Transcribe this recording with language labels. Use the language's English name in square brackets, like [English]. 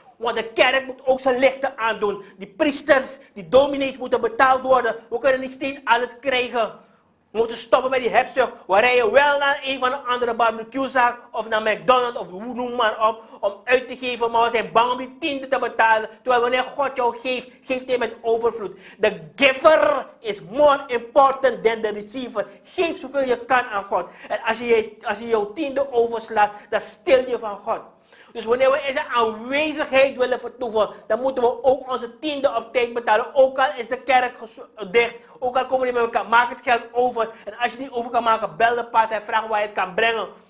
[Dutch] Want de kerk moet ook zijn lichten aandoen. Die priesters, die dominees moeten betaald worden. We kunnen niet steeds alles krijgen. We moeten stoppen bij die hebzucht. We rijden wel naar een van de andere barbecuezaak of naar McDonald's of hoe noem maar op. Om uit te geven, maar we zijn bang om die tiende te betalen. Terwijl wanneer God jou geeft, geeft hij met overvloed. [English] The giver is more important than the receiver. [Dutch] Geef zoveel je kan aan God. En als je jouw tiende overslaat, dan stil je van God. Dus wanneer we in zijn aanwezigheid willen vertoeven, dan moeten we ook onze tiende op tijd betalen. Ook al is de kerk dicht, ook al komen we niet bij elkaar, maak het geld over. En als je niet over kan maken, bel de paard en vraag waar je het kan brengen.